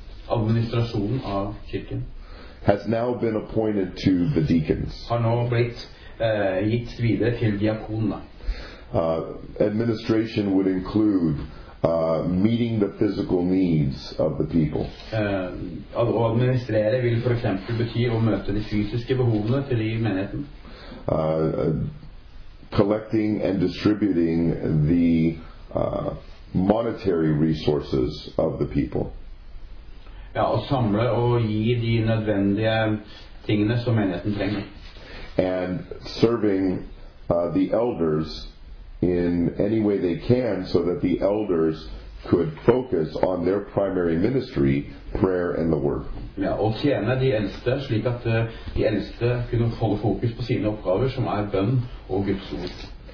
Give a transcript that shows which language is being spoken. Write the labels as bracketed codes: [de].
[no] Administrasjonen av kirken. [en] Has now been appointed to the deacons. [no] Har nå blitt gitt videre til diakonene. [en] Administration would include meeting the physical needs of the people. [no] Å administrere vil for eksempel bety å møte de fysiske behovene til de I menigheten. [en] Collecting and distributing the monetary resources of the people. [no] Ja, å samle og gi de nødvendige tingene som menigheten trenger. [en] And serving the elders in any way they can so that the elders could focus on their primary ministry, prayer and the word. [no] Ja, og tjene de eldste slik at de eldste kunne holde fokus på sine oppgaver som bønn og Guds ord.